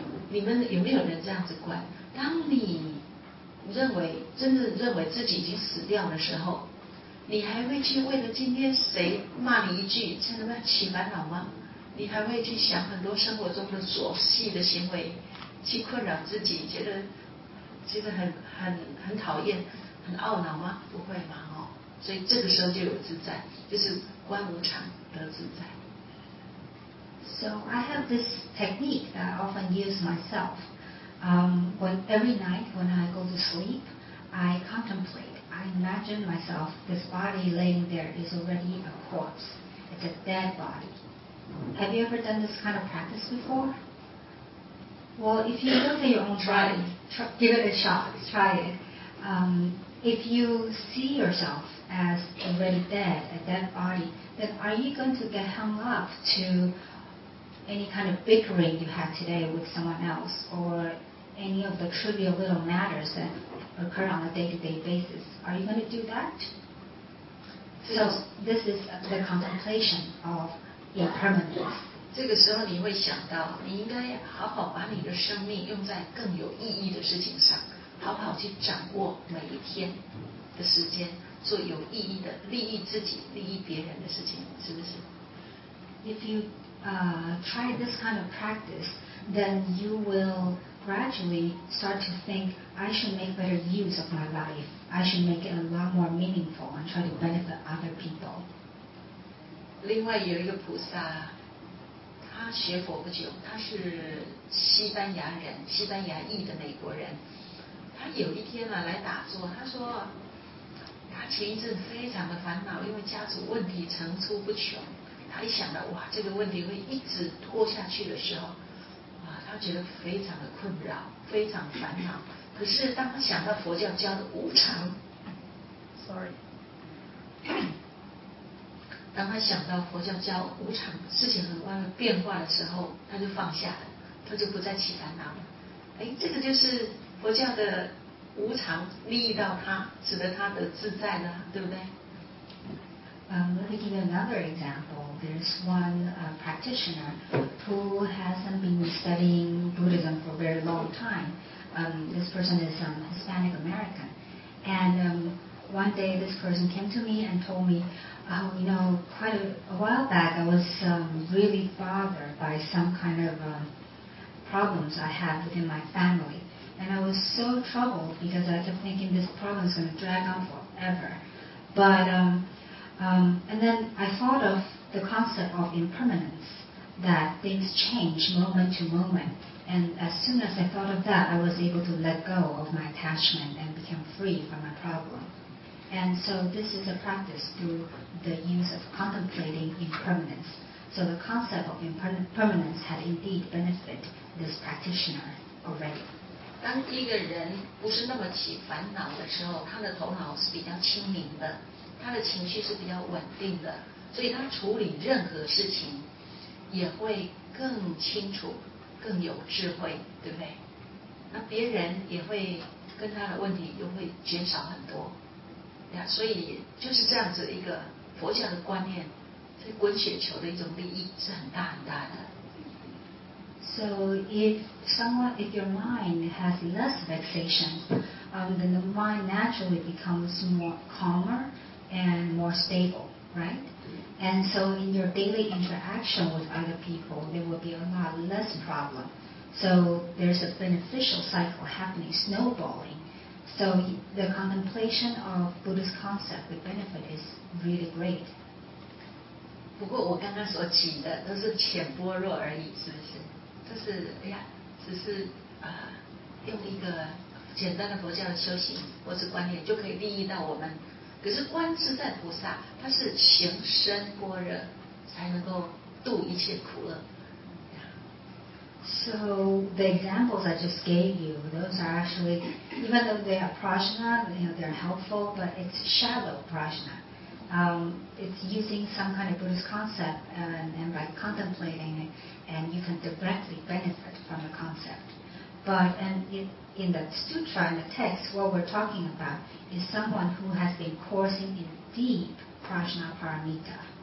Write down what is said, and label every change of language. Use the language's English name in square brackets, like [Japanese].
[Chinese] 你们有没有人这样子观？当你认为真的认为自己已经死掉的时候，你还会去为了今天谁骂你一句，真的起烦恼吗？你还会去想很多生活中的琐细的行为，去困扰自己，觉得很讨厌，很懊恼吗？不会嘛，哦，所以这个时候就有自在，就是观无常得自在。 [English] So I have this technique that I often use myself. Every night when I go to sleep, I contemplate. I imagine myself, this body laying there is already a corpse. It's a dead body. Have you ever done this kind of practice before? Well, if you look at your own body, give it a shot, try it. If you see yourself as already dead, a dead body, then are you going to get hung up to any kind of bickering you had today with someone else, or any of the trivial little matters that occur on a day-to-day basis? Are you going to do that? So this is the contemplation of impermanence. [Chinese] 这个时候你会想到，你应该好好把你的生命用在更有意义的事情上，好好去掌握每一天的时间，做有意义的、利益自己、利益别人的事情，是不是？ [English] If you try this kind of practice, then you will gradually start to think, I should make better use of my life. I should make it a lot more meaningful and try to benefit other people. [Chinese] 另外有一个菩萨，他学佛不久，他是西班牙人，西班牙裔的美国人。他有一天呢来打坐，他说他前一阵非常的烦恼，因为家族问题层出不穷。他一想到哇，这个问题会一直拖下去的时候，他觉得非常的困扰，非常烦恼，可是当他想到佛教教的无常 [English] sorry [Chinese] 当他想到佛教教无常事情很快变化的时候他就放下了他就不再起烦恼了哎，这个就是佛教的无常利益到他使得他的自在了对不对 [English] Let me give you another example. There's one practitioner who hasn't been studying Buddhism for a very long time. This person is Hispanic American. And one day this person came to me and told me, quite a while back I was really bothered by some kind of problems I had within my family. And I was so troubled because I kept thinking this problem is going to drag on forever. But... and then I thought of the concept of impermanence, that things change moment to moment. And as soon as I thought of that, I was able to let go of my attachment and become free from my problem. And so this is a practice through the use of contemplating impermanence. So the concept of impermanence had indeed benefited this practitioner already. [Chinese] 当一个人不是那么起烦恼的时候，他的头脑是比较清明的。他的情绪是比较稳定的，所以他处理任何事情也会更清楚、更有智慧，对不对？那别人也会跟他的问题又会减少很多，呀，所以就是这样子一个佛教的观念，这滚雪球的一种利益是很大很大的。 [English] So if someone, if your mind has less vexation, then the mind naturally becomes more calmer. And more stable, right? And so in your daily interaction with other people, there will be a lot less problem. So there's a beneficial cycle happening, snowballing. So the contemplation of Buddhist concept, the benefit is really great. [Chinese] 不过我刚刚所起的都是浅薄弱而已，是不是？这是哎呀，只是用一个简单的佛教的修行或是观念，就可以利益到我们。可是观自在菩萨他是行深般若才能够度一切苦厄、 [English] So the examples I just gave you those are actually even though they are prajna they are helpful but it's shallow prajna it's using some kind of Buddhist concept and by contemplating it and you can directly benefit from the concept but and itIn the sutra, in the text, what we're talking about is someone who has been coursing in deep prajna paramita.